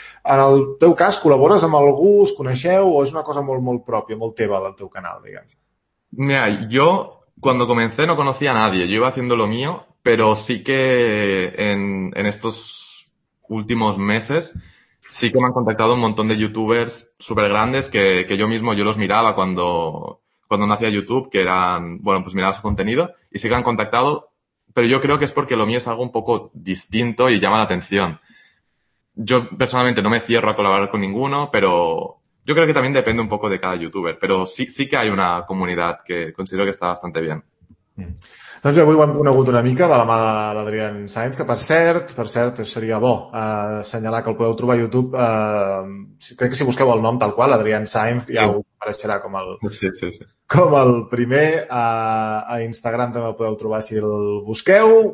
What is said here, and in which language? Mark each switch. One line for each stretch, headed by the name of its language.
Catalan: En el teu cas, col·labores amb algú, us coneixeu, o és una cosa molt, molt pròpia, molt teva del teu canal, diguem? Mira, jo...
Spanish: Cuando comencé no conocía a nadie, yo iba haciendo lo mío, pero sí que en estos últimos meses sí que me han contactado un montón de youtubers súper grandes que yo mismo, yo los miraba cuando no hacía YouTube, que eran, bueno, pues miraba su contenido y sí que han contactado, pero yo creo que es porque lo mío es algo un poco distinto y llama la atención. Yo personalmente no me cierro a colaborar con ninguno, pero... Yo creo que también depende un poco de cada youtuber, pero sí que hay una comunidad que considero que está bastante bien.
Catalan: Doncs bé, avui ho hem conegut una mica de la mà de l'Adrián Sainz, que per cert, seria bo assenyalar que el podeu trobar a YouTube. Crec que si busqueu el nom tal qual, Adrián Sainz, ja sí. Ho apareixerà com el, com el primer. A Instagram també el podeu trobar si el busqueu.